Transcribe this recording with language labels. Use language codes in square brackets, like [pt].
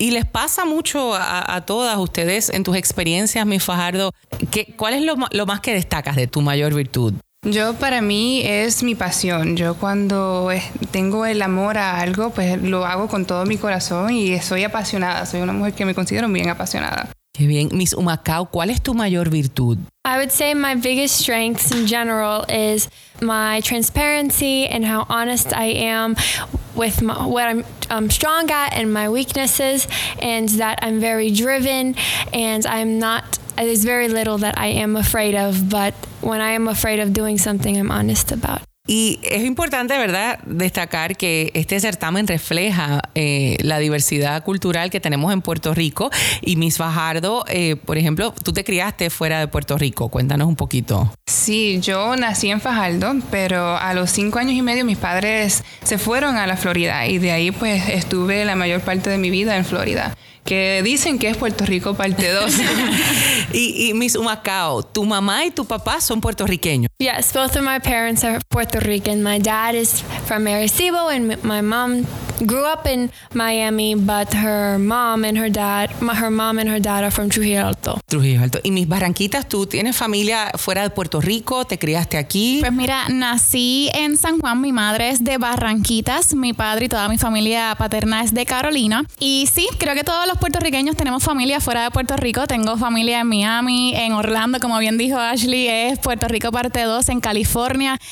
[es] Y les pasa mucho a todas ustedes, en tus experiencias, mi Fajardo, ¿cuál es lo más que destacas de tu mayor virtud? Yo, para mí, es mi pasión. Yo cuando tengo el amor a algo, pues lo hago con todo mi corazón y soy apasionada. Soy una mujer que me considero bien apasionada. Qué bien. Miss Humacao, ¿cuál es tu mayor virtud? [en] I would say my biggest strength in general is my transparency and how honest I am with what I'm strong at and my weaknesses, and that I'm very driven and I'm not, there's very little that I am afraid of, but when I am afraid of doing something, I'm honest about. [es] Y es importante, ¿verdad?, destacar que este certamen refleja la diversidad cultural que tenemos en Puerto Rico. Y Miss Fajardo, por ejemplo, tú te criaste fuera de Puerto Rico. Cuéntanos un poquito. Sí, yo nací en Fajardo, pero a los 5 años y medio mis padres se fueron a la Florida. Y de ahí pues estuve la mayor parte de mi vida en Florida. Que dicen que es Puerto Rico parte 2. y Miss Humacao, ¿tu mamá y tu papá son puertorriqueños? [en] Yes, both of my parents are Puerto Rican. My dad is from Arecibo and my mom grew up in Miami, but her mom and her dad are from Trujillo Alto. [es] Trujillo Alto. Y Miss Barranquitas, ¿tú tienes familia fuera de Puerto Rico? ¿Te criaste aquí? Pues mira, nací en San Juan. Mi madre es de Barranquitas. Mi padre y toda mi familia paterna es de Carolina. Y sí, creo que todos los puertorriqueños tenemos familia fuera de Puerto Rico. Tengo familia en Miami, en Orlando, como bien dijo Ashley, es Puerto Rico parte 2, en California.